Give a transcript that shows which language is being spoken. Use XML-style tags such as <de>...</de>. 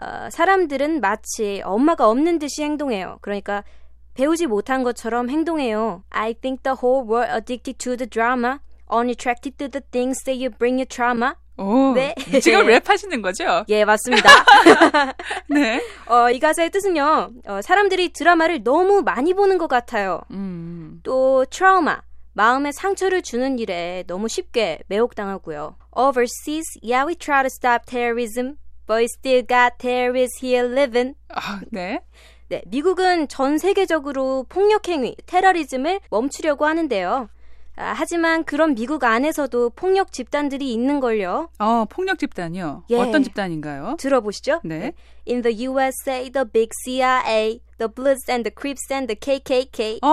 <ko>사람들은 마치 엄마가 없는 듯이 행동해요. 그러니까 배우지 못한 것처럼 행동해요.</ko> <en>I think the whole world addicted to the drama, unattracted to the things that you bring your trauma.</en> <ko>오, 네. 지금 랩 하시는 거죠? 예, 맞습니다. 네. 이 가사의 뜻은요. 사람들이 드라마를 너무 많이 보는 것 같아요. 또 트라우마, 마음에 상처를 주는 일에 너무 쉽게 매혹당하고요.</ko> <en>Overseas, yeah, we try to stop terrorism, but we still got terrorists here living.</en> <ko>네. 네, 미국은 전 세계적으로 폭력 행위, 테러리즘을 멈추려고 하는데요. 하지만 그런 미국 안에서도 폭력 집단들이 있는걸요. 폭력 집단이요? 예. 어떤 집단인가요? 들어보시죠. 네.</ko> <en>In the USA, the big CIA, the Bloods and the Crips and the KKK.</en>